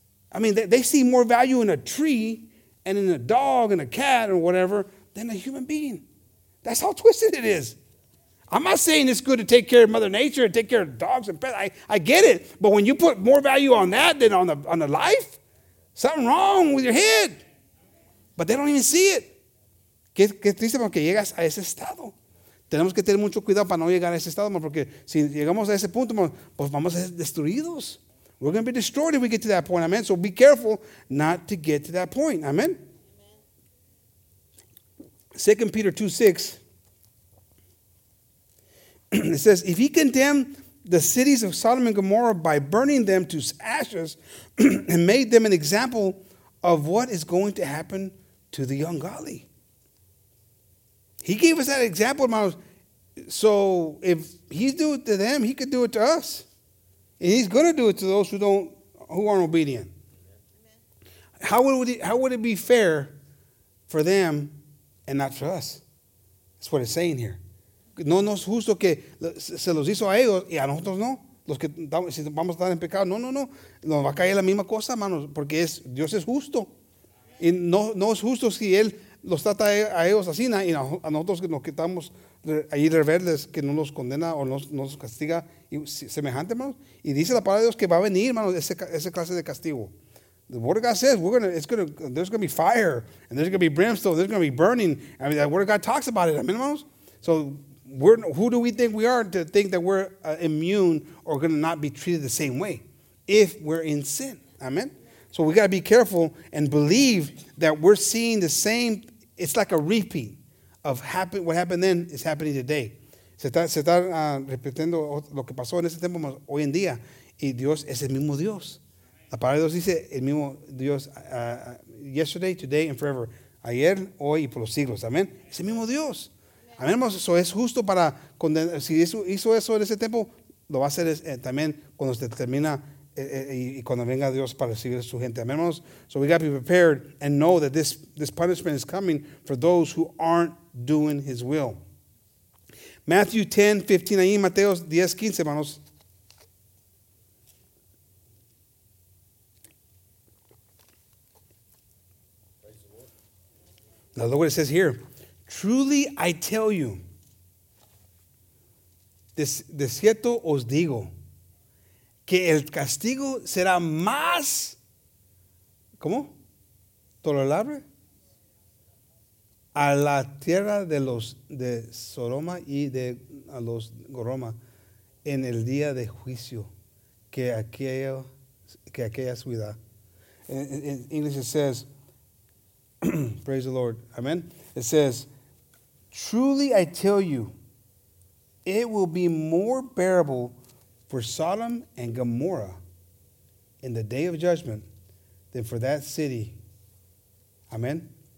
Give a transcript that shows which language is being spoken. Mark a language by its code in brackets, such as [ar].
[en] I mean, they see more value in a tree and in a dog and a cat or whatever than a human being. That's how twisted it is. I'm not saying it's good to take care of Mother Nature and take care of dogs and pets. I get it. But when you put more value on that than on the life, something wrong with your head. But they don't even see it. [es] Qué triste porque llegas a ese estado. Tenemos que tener mucho cuidado para no llegar a ese estado, porque si llegamos a ese punto, pues vamos a ser destruidos. [en] We're going to be destroyed if we get to that point, amen. So be careful not to get to that point, amen. 2 Peter 2:6, it says, if he condemned the cities of Sodom and Gomorrah by burning them to ashes and made them an example of what is going to happen to the ungodly. He gave us that example, hermanos. So if he's doing it to them, he could do it to us. And he's going to do it to those who aren't obedient. How would it be fair for them and not for us. That's what it's saying here. [es] No nos justo que se los hizo a ellos y a nosotros no. Los que si vamos a estar en pecado, no, no, no. Nos va a caer la misma cosa, hermanos, porque es, Dios es justo. Y no, no es justo si Él los trata a ellos así, y a nosotros que nos quitamos ahí rebeldes, que no los condena o no nos castiga y semejante, hermanos. Y dice la palabra de Dios que va a venir, hermanos, ese clase de castigo. [en] The word of God says, there's going to be fire, and there's going to be brimstone, there's going to be burning. I mean, the word of God talks about it. Amen, hermanos? So, who do we think we are to think that we're immune or going to not be treated the same way if we're in sin? Amen? So, we got to be careful and believe that we're seeing the same. It's like a repeat of what happened then is happening today. [es] Se está repitiendo lo que pasó en ese tiempo hoy en día. Y Dios es el mismo Dios. La palabra de Dios dice el mismo Dios [en] yesterday, today, and forever. [es] Ayer, hoy y por los siglos. Amén. Es el mismo Dios. Amén. Eso es justo para condenar. Si hizo eso en ese tiempo, lo va a hacer también cuando se termina y cuando venga Dios para recibir a su gente. Amén. [en] So we got to be prepared and know that this punishment is coming for those who aren't doing His will. [es] Matthew 10, 15. Ahí Mateo 10, 15, hermanos. [en] Now look what it says here. Truly I tell you, [es] de cierto os digo, que el castigo será más, ¿cómo? Tolerable a la tierra de los de Sodoma y de a los Gomorra en el día de juicio que aquella ciudad. [en] In English it says, praise the Lord. Amen. It says, truly I tell you, it will be more bearable for Sodom and Gomorrah in the day of judgment than for that city. Amen.